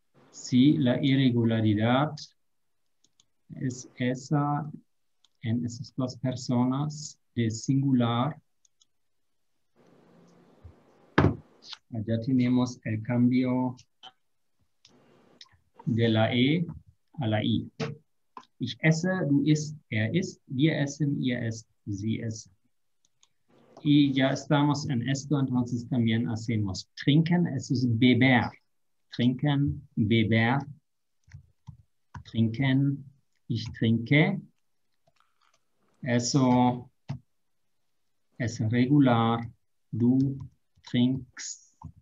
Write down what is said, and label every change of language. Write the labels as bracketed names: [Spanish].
[Spanish] Sí, la irregularidad es esa en esas dos personas de singular. Allá tenemos el cambio de la E a la I. [German] Ich esse, du isst, er isst, wir essen, ihr esst, sie essen. [Spanish] Y ya estamos en esto, entonces también hacemos trinken, [German] es ist [Spanish] beber. [German] Trinken, beber. Trinken, ich trinke. [Spanish] Eso es regular, [German] du trinkst.